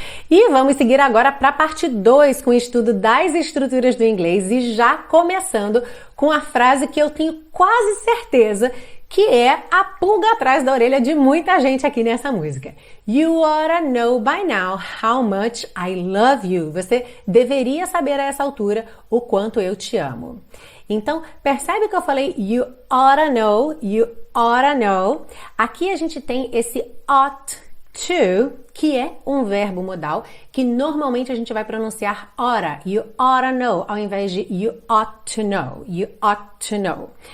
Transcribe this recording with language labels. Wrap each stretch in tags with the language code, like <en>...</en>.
<pt>E vamos seguir agora para a parte 2, com o estudo das estruturas do inglês e já começando com a frase que eu tenho quase certeza que é a pulga atrás da orelha de muita gente aqui nessa música.</pt> <en>You oughta know by now how much I love you.</en> <pt>Você deveria saber a essa altura o quanto eu te amo. Então, percebe que eu falei</pt> <en>you oughta know, you oughta know.</en> <pt>Aqui a gente tem esse ought to, que é um verbo modal, que normalmente a gente vai pronunciar oughta,</pt> <en>you oughta know,</en> <pt>ao invés de</pt> <en>you ought to know, you ought to know.</en>